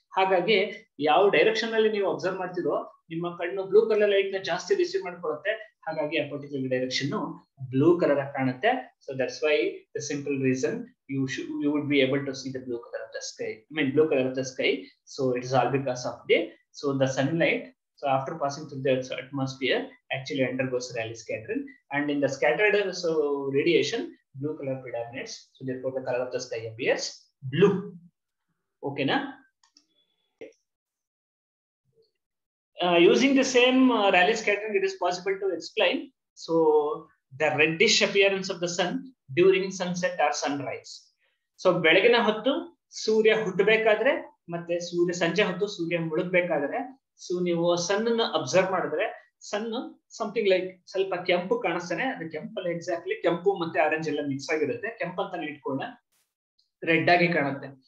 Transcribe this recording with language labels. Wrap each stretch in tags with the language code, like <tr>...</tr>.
<kn>ಹಾಗಾಗಿ ಯಾವ ಡೈರೆಕ್ಷನ್ ನಲ್ಲಿ ನೀವು ಅಬ್ಸರ್ವ್ ಮಾಡ್ತಿರೋ ನಿಮ್ಮ ಕಣ್ಣು ಬ್ಲೂ ಕಲರ್ ಲೈಟ್ ನ ಜಾಸ್ತಿ ರಿಸೀವ್ ಮಾಡ್ಕೊಳುತ್ತೆ, ಹಾಗಾಗಿ ಆ ಪರ್ಟಿಕ್ಯುಲರ್ ಡೈರೆಕ್ಷನ್ ಬ್ಲೂ ಕಲರ್ ಆಗಿ ಕಾಣುತ್ತೆ.</kn> <en>So that's why the simple reason you would be able to see the blue colour of the sky, I mean blue colour of the sky. So it is all because of the so the sun light. So after passing through the atmosphere, actually undergoes Rayleigh scattering, and in the scattered so radiation, blue color predominates. So therefore, the color of the sky appears blue. Okay, na? Using the same Rayleigh scattering, it is possible to explain so the reddish appearance of the sun during sunset or sunrise.</en> <kn>So ಬೆಳಗಿನ ಹೊತ್ತು ಸೂರ್ಯ ಹುಟ್ಟಬೇಕಾದ್ರೆ ಮತ್ತೆ ಸೂರ್ಯ ಸಂಜೆ ಹೊತ್ತು ಸೂರ್ಯ ಮುಳುಗಬೇಕಾದ್ರೆ so ನೀವು ಸನ್ ಅನ್ನು observe ಮಾಡಿದ್ರೆ</kn> <en>sun something like</en> <kn>ಸ್ವಲ್ಪ ಕೆಂಪು ಕಾಣಿಸ್ತಾನೆ, ಅದು ಕೆಂಪಲ್ಲ ಎಕ್ಸಾಕ್ಟ್ಲಿ ಕೆಂಪು ಮತ್ತೆ ಆರೆಂಜ್ ಎಲ್ಲ ಮಿಕ್ಸ್ ಆಗಿರುತ್ತೆ, ಕೆಂಪು ಅಂತ ಇಟ್ಕೊಂಡ ರೆಡ್ ಆಗಿ ಕಾಣುತ್ತೆ.</kn>